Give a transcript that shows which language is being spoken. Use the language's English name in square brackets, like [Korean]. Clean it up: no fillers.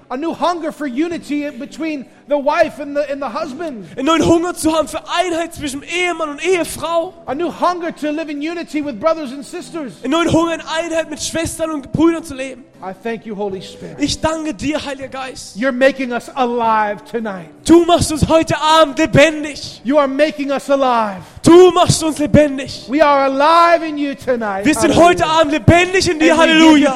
[English] A new hunger for unity between the wife and the husband. [German] Einen neuen Hunger zu haben für Einheit zwischen Ehemann und Ehefrau. [English] A new hunger to live in unity with brothers and sisters. [German] Einen neuen Hunger in Einheit mit Schwestern und Brüdern zu leben. [English] I thank you, Holy Spirit. [German] Ich danke dir, Heiliger Geist. [English] You're making us alive tonight. [German] Du machst uns heute Abend lebendig. [English] You are making us alive. [German] Du machst uns lebendig. [English] We are alive in you tonight. [German] Wir sind heute Abend lebendig in dir, Halleluja.